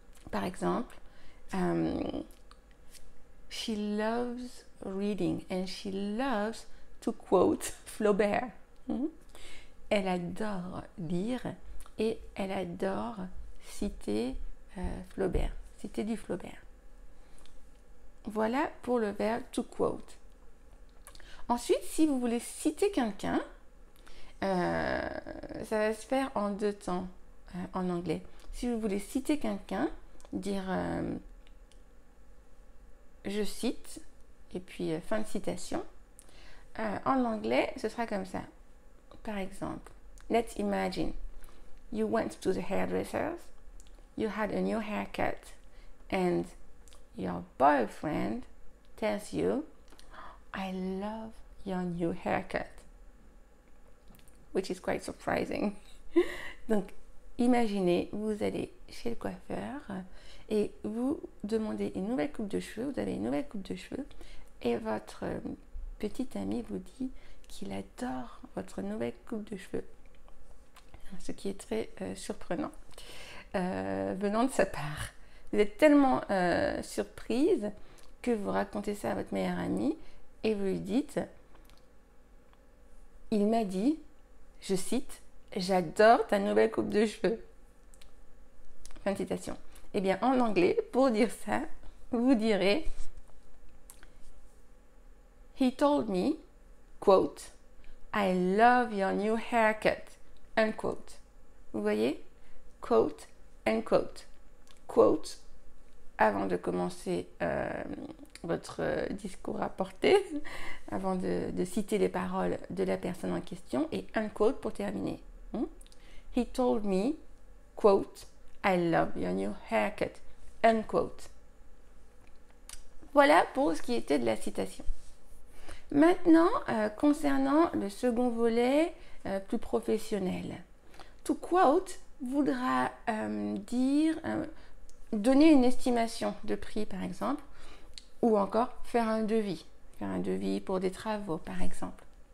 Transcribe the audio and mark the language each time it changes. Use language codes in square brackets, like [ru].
[fr] Par exemple, [en] she loves reading and she loves to quote Flaubert. [fr] Elle adore lire et elle adore citer Flaubert, citer du Flaubert. Voilà pour le verbe to quote. Ensuite, si vous voulez citer quelqu'un, ça va se faire en deux temps en anglais. Si vous voulez citer quelqu'un, dire je cite et puis fin de citation, en anglais, ce sera comme ça. Par exemple, [en] let's imagine you went to the hairdressers, you had a new haircut, and your boyfriend tells you, I love your new haircut. Which is quite surprising. [fr] Donc, imaginez, vous allez chez le coiffeur et vous demandez une nouvelle coupe de cheveux, vous avez une nouvelle coupe de cheveux, et votre petit ami vous dit qu'il adore votre nouvelle coupe de cheveux. Ce qui est très surprenant venant de sa part. Vous êtes tellement surprise que vous racontez ça à votre meilleure amie et vous lui dites, il m'a dit, je cite, j'adore ta nouvelle coupe de cheveux. Fin de citation. Eh bien, en anglais, pour dire ça, vous direz, [en] he told me, quote, I love your new haircut. Unquote. [fr] Vous voyez? Quote, unquote. Quote, avant de commencer votre discours à porter, avant de citer les paroles de la personne en question, et unquote pour terminer. [en] He told me, quote, I love your new haircut. Unquote. [fr] Voilà pour ce qui était de la citation. Maintenant, concernant le second volet plus professionnel. To quote voudra dire, donner une estimation de prix par exemple, ou encore faire un devis pour des travaux par exemple.